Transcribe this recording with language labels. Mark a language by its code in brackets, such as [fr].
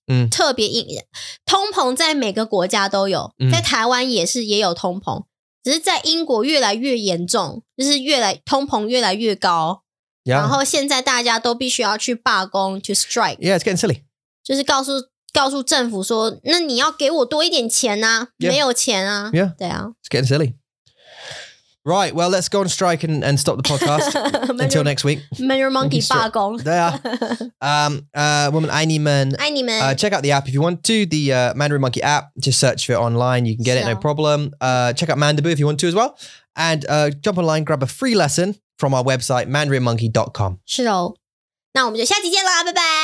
[zh] 特别硬，通膨在每个国家都有，在台湾也是也有通膨，只是在英国越来越严重，就是越来通膨越来越高，然后现在大家都必须要去罢工 [en] to strike. Yeah, it's getting silly. [zh] 就是告诉政府说，那你要给我多一点钱啊，没有钱啊。 [en] Yeah, [zh] 对啊。 [en] It's getting silly. Right, well, let's go on strike and stop the podcast. Until next week. Mirror Monkey 罢工. There you are. Woman, [zh] 爱你们. 爱你们. [en] Check out the app if you want to. The Mandarin Monkey app. Just search for it online. You can get it, no problem. Check out Mandibu if you want to as well. And jump online, grab a free lesson from our website, mandarinmonkey.com. [zh] 是哦。那我们就下期见啦，拜拜。